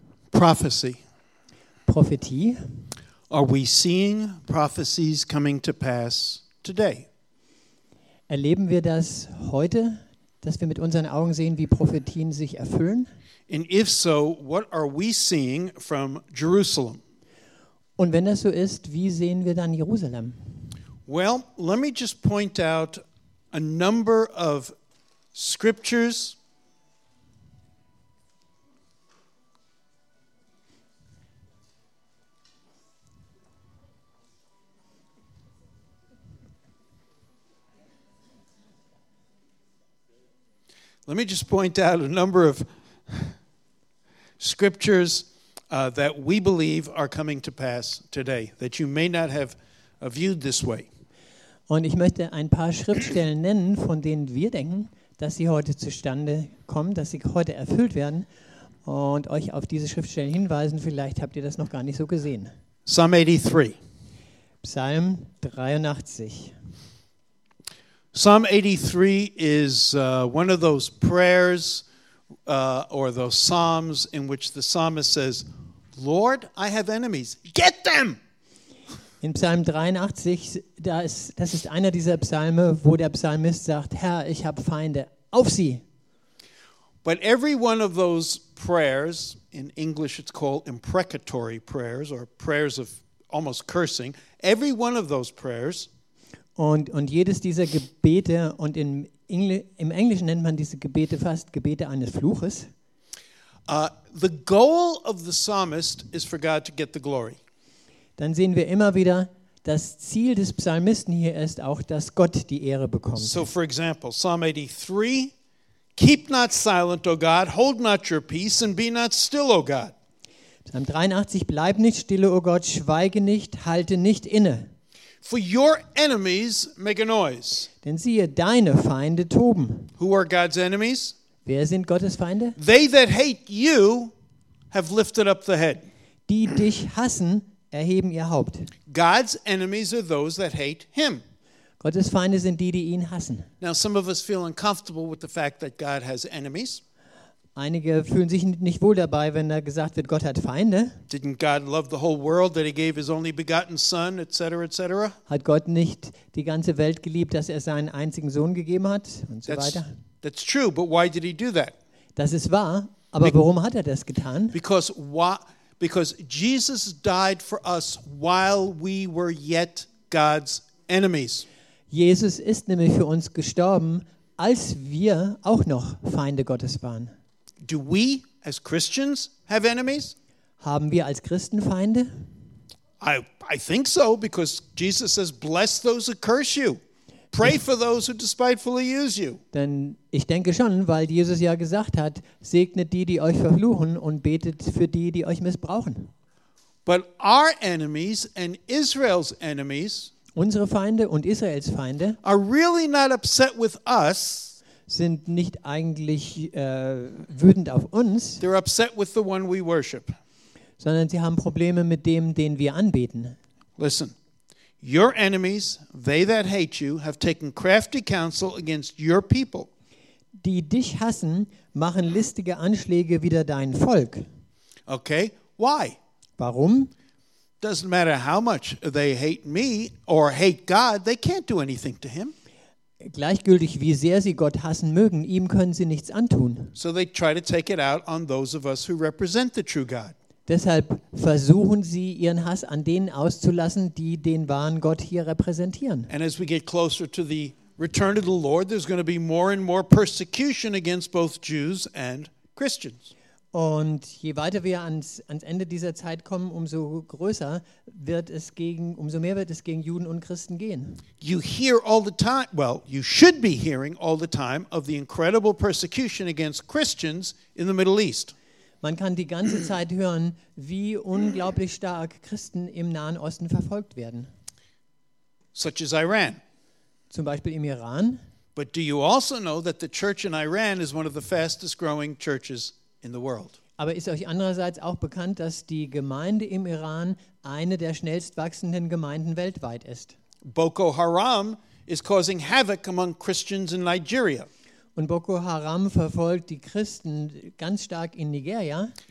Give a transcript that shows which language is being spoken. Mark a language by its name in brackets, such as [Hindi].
[English] Prophecy. [German] Prophetie. [English] Are we seeing prophecies coming to pass today? [German] Erleben wir das heute, dass wir mit unseren Augen sehen, wie Prophetien sich erfüllen? [English] And if so, what are we seeing from Jerusalem? [German] Und wenn das so ist, wie sehen wir dann Jerusalem? [English] Well, let me just point out a number of scriptures. Let me just point out a number of scriptures that we believe are coming to pass today that you may not have viewed this way. [German] Und ich möchte ein paar Schriftstellen nennen, von denen wir denken, dass sie heute zustande kommen, dass sie heute erfüllt werden und euch auf diese Schriftstellen hinweisen. Vielleicht habt ihr das noch gar nicht so gesehen. [English] Psalm 83. [German] Psalm 83. [English] Psalm 83 is one of those prayers or those psalms in which the psalmist says, Lord, I have enemies. Get them! [German] In Psalm 83, das ist einer dieser Psalme, wo der Psalmist sagt, Herr, ich habe Feinde, auf sie! [English] But every one of those prayers, in English it's called imprecatory prayers or prayers of almost cursing, every one of those prayers [German] Und jedes dieser Gebete, und im Englischen nennt man diese Gebete fast Gebete eines Fluches. [English] The goal of the psalmist is for God to get the glory. [German] Dann sehen wir immer wieder, das Ziel des Psalmisten hier ist auch, dass Gott die Ehre bekommt. [English] So for example, Psalm 83, keep not silent, O God, hold not your peace and be not still, O God. [German] Psalm 83, bleib nicht stille, O Gott, schweige nicht, halte nicht inne. [English] For your enemies make a noise. [German] Denn siehe, deine Feinde toben. [English] Who are God's enemies? [German] Wer sind Gottes Feinde? [English] They that hate you have lifted up the head. [German] Die dich hassen, erheben ihr Haupt. [English] God's enemies are those that hate him. [German] Gottes Feinde sind die, die ihn hassen. [English] Now some of us feel uncomfortable with the fact that God has enemies. [German] Einige fühlen sich nicht wohl dabei, wenn da gesagt wird, Gott hat Feinde. [English] Didn't God love the whole world that he gave his only begotten son, etc., etc.? [German] Hat Gott nicht die ganze Welt geliebt, dass er seinen einzigen Sohn gegeben hat und so weiter? [English] That's true, but why did he do that? [German] Das ist wahr, aber warum hat er das getan? [English] Because Jesus died for us while we were yet God's enemies. [German] Jesus ist nämlich für uns gestorben, als wir auch noch Feinde Gottes waren. [English] Do we as Christians have enemies? [German] Haben wir als Christen Feinde? [English] I think so, because Jesus says, bless those who curse you. Pray for those who despitefully use you. [German] Denn ich denke schon, weil Jesus ja gesagt hat, segnet die, die euch verfluchen und betet für die, die euch missbrauchen. [English] But our enemies and Israel's enemies, [German] unsere Feinde und Israels Feinde, [English] are really not upset with us, [German] sind nicht eigentlich wütend auf uns. [English] They're upset with the one we worship. [German] Sondern sie haben Probleme mit dem, den wir anbeten. [English] Listen. Your enemies, they that hate you, have taken crafty counsel against your people. [German] Die dich hassen, machen listige Anschläge wider dein Volk. [English] Okay, why? [German] Warum? [English] Doesn't matter how much they hate me or hate God, they can't do anything to him. [German] Gleichgültig, wie sehr sie Gott hassen mögen, ihm können sie nichts antun. [English] So they try to take it out on those of us who represent the true God. [German] Deshalb versuchen sie, ihren Hass an denen auszulassen, die den wahren Gott hier repräsentieren. [English] And as we get closer to the return of the Lord, there's going to be more and more persecution against both Jews and Christians. [German] Und je weiter wir ans Ende dieser Zeit kommen, umso mehr wird es gegen Juden und Christen gehen. [English] You hear all the time, well, you should be hearing all the time of the incredible persecution against Christians in the Middle East. [German] Man kann die ganze Zeit hören, wie unglaublich stark Christen im Nahen Osten verfolgt werden. [English] Such as Iran. [German] Zum Beispiel im Iran. [English] But do you also know that the church in Iran is one of the fastest growing churches in the world? [German] Aber ist euch andererseits auch bekannt, dass die Gemeinde im Iran eine der schnellst wachsenden Gemeinden weltweit ist? [English] Boko Haram is causing havoc among Christians in Nigeria. [German] Und Boko Haram verfolgt die Christen ganz stark in Nigeria.